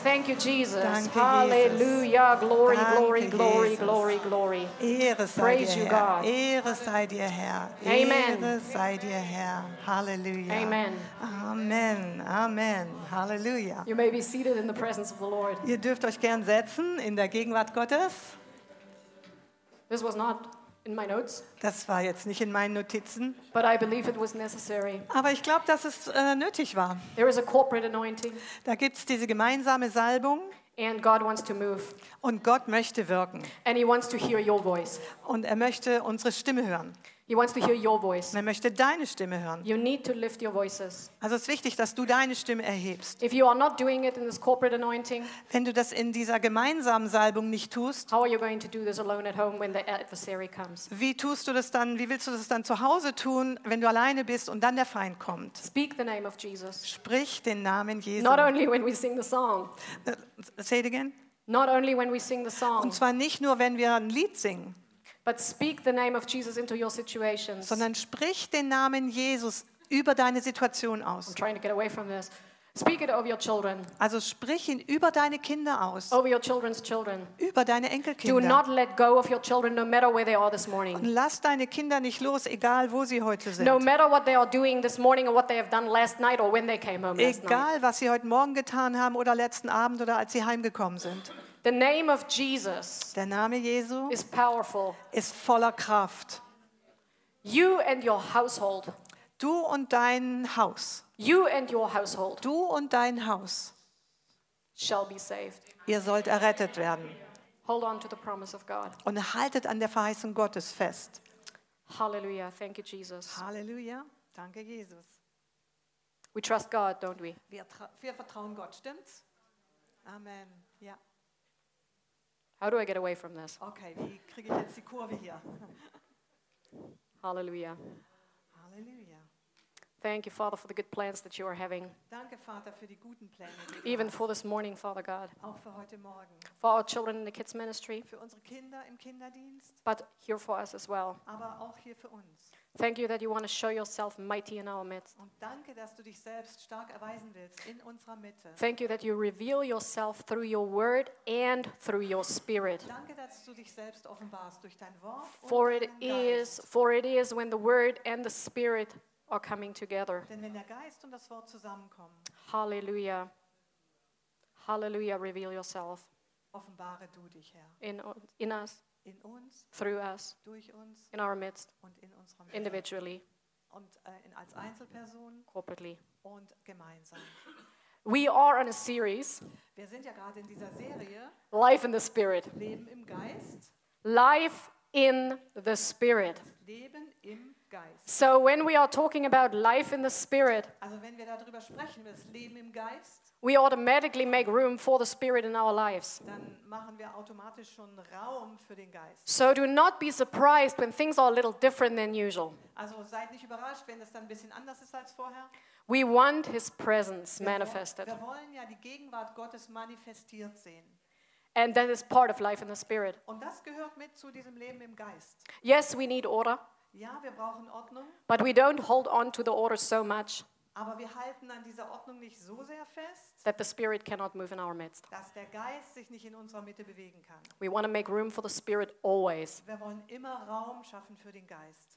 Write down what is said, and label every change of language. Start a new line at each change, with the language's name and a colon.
English: Thank you, Jesus. Hallelujah. Glory, glory, glory, glory, glory. Praise you, God.
German: Ehre sei dir, Herr. Amen. Ehre sei dir, Herr. Hallelujah. Amen. Amen. Amen. Hallelujah.
English: You may be seated in the presence of the Lord.
German: Ihr dürft euch gern setzen in der Gegenwart Gottes.
English: This was not in my notes.
German: Das war jetzt nicht in meinen Notizen.
English: But I believe it was necessary.
German: Aber ich glaube, dass es nötig war.
English: There is a corporate anointing.
German: Da gibt es diese gemeinsame Salbung.
English: And God wants to move.
German: Und Gott möchte wirken.
English: And he wants to hear your voice.
German: Und er möchte unsere Stimme hören.
English: He wants to hear your voice.
German: Er möchte deine Stimme hören.
English: You need to lift your voices.
German: Also es ist wichtig, dass du deine Stimme erhebst.
English: If you are not doing it in this corporate anointing,
German: wenn du das in dieser gemeinsamen Salbung nicht tust,
English: how are you going to do this alone at home when the adversary comes?
German: Wie tust du das dann? Wie willst du das dann zu Hause tun, wenn du alleine bist und dann der Feind kommt?
English: Speak the name of Jesus.
German: Sprich den Namen Jesu.
English: Not only when we sing the song. Say it again. Not only when we sing the song.
German: Und zwar nicht nur, wenn wir ein Lied singen.
English: But speak the name of Jesus into your situations.
German: Sondern sprich den Namen Jesus über deine Situation aus.
English: I'm trying to get away from this. Speak it over your children.
German: Also sprich ihn über deine Kinder aus.
English: Over your children's children.
German: Über deine Enkelkinder.
English: Do not let go of your children, no matter where they are this morning.
German: Und lass deine Kinder nicht los, egal wo sie heute sind.
English: No matter what they are doing this morning or what they have done last night or when they came home last night.
German: Egal was sie heute Morgen getan haben oder letzten Abend oder als sie heimgekommen sind.
English: The name of Jesus.
German: Der Name Jesu
English: is powerful.
German: Ist voller Kraft.
English: You and your household.
German: Du und dein Haus.
English: You and your household.
German: Du und dein Haus.
English: Shall be saved.
German: Ihr sollt errettet werden.
English: Hold on to the promise of God.
German: Und haltet an der Verheißung Gottes fest.
English: Hallelujah. Thank you, Jesus.
German: Hallelujah. Danke, Jesus.
English: We trust God, don't we?
German: Wir vertrauen Gott, stimmt's? Amen. Ja.
English: Yeah. How do I get away from this?
German: Okay, wie kriege ich jetzt die Kurve hier? Hallelujah. Hallelujah.
English: Thank you, Father, for the good plans that you are having.
German: Danke, Vater, für die guten Pläne, die
English: even for this morning, Father God.
German: Auch für heute Morgen.
English: For our children in the kids' ministry.
German: Für unsere Kinder im Kinderdienst.
English: But here for us as well.
German: Aber auch hier für uns.
English: Thank you that you want to show yourself mighty in our midst.
German: Und danke, dass du dich selbst stark erweisen willst in unserer Mitte.
English: Thank you that you reveal yourself through your word and through your spirit.
German: Danke, dass du dich selbst offenbarst durch dein Wort und
English: For it is when the word and the spirit are coming together.
German: Denn wenn der Geist und das Wort zusammenkommen.
English: Hallelujah. Hallelujah, reveal yourself.
German: Offenbare du dich, Herr.
English: In us.
German: In uns,
English: through us,
German: durch uns,
English: in our midst,
German: und in unserem
English: individually,
German: und, als Einzelperson,
English: corporately,
German: und gemeinsam.
English: We are on a series,
German: wir sind ja gerade in dieser Serie,
English: Life in the Spirit,
German: Leben im Geist,
English: Life in the Spirit.
German: Leben im Geist.
English: So when we are talking about life in the Spirit,
German: also wenn wir darüber sprechen, das Leben im Geist,
English: we automatically make room for the Spirit in our lives.
German: Dann machen wir automatisch schon Raum für den Geist.
English: So do not be surprised when things are a little different than usual.
German: Also seid nicht überrascht, wenn es dann ein bisschen anders ist als vorher.
English: We want his presence manifested.
German: Wir wollen ja die Gegenwart Gottes manifestiert sehen.
English: And that is part of life in the Spirit.
German: Und das gehört mit zu diesem Leben im Geist.
English: Yes, we need order.
German: Ja, wir brauchen Ordnung.
English: But we don't hold on to the order so much.
German: Aber wir halten an dieser Ordnung nicht so sehr fest,
English: that the Spirit cannot move in our midst.
German: Dass der Geist sich nicht in unserer Mitte bewegen kann.
English: We want to make room for the Spirit always.
German: Wir wollen immer Raum schaffen für den Geist.